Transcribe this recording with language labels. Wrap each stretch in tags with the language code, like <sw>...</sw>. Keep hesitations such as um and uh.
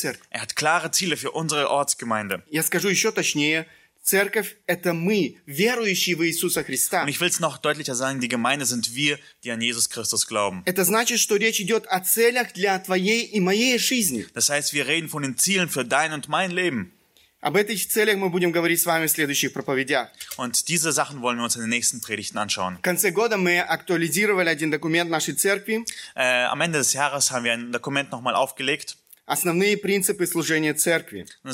<de>Er hat klare Ziele für unsere Ortsgemeinde.</de> <ru>еще точнее, церковь – это мы, верующие в Иисуса Христа.</ru> <de>Und ich will es noch deutlicher sagen, die Gemeinde sind wir, die an Jesus Christus glauben.</de> <ru>Это значит, что речь идет о целях для твоей и моей жизни.</ru> <de>Das heißt, wir reden von den Zielen für dein und mein Leben.</de> <ru>Об этих целях мы будем говорить с вами в следующих проповедях.</ru> <de>Und diese Sachen wollen wir uns in den nächsten Predigten anschauen.</de> <ru>В конце года мы актуализировали один документ нашей церкви.</ru> <de>Äh, am Ende des Jahres haben wir ein Dokument nochmal aufgelegt.</de> <ru>Основные принципы служения церкви.</ru>